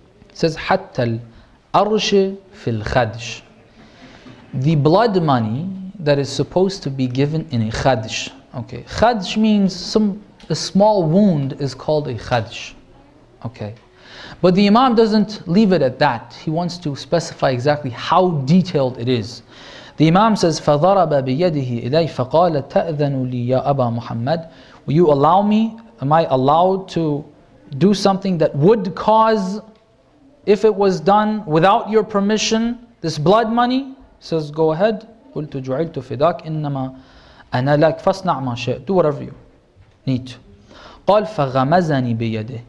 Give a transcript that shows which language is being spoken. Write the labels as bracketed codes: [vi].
[en] It says, [ar] حَتَّ الْأَرْشِ فِي الْخَدْشِ. [en] The blood money, that is supposed to be given in a khadsh. Okay, khadsh means a small wound is called a khadsh. Okay, but the Imam doesn't leave it at that. He wants to specify exactly how detailed it is. The Imam says, [ar] فَضَرَبَ بِيَدِهِ إِلَيْ فَقَالَ تَأْذَنُ لِي يَا أَبَا مُحَمَّدٍ. [en] Will you allow me? Am I allowed to do something that would cause, if it was done without your permission, this blood money? He says, go ahead. [ar] قُلْتُ جُعِلْتُ فِدَاكَ إِنَّمَا أَنَا لَكَ فَاصْنَعْ مَا شَئْ. [en] Do whatever you need to. [ar] قَالْ فَغَمَزَنِي بِيَدِهِ.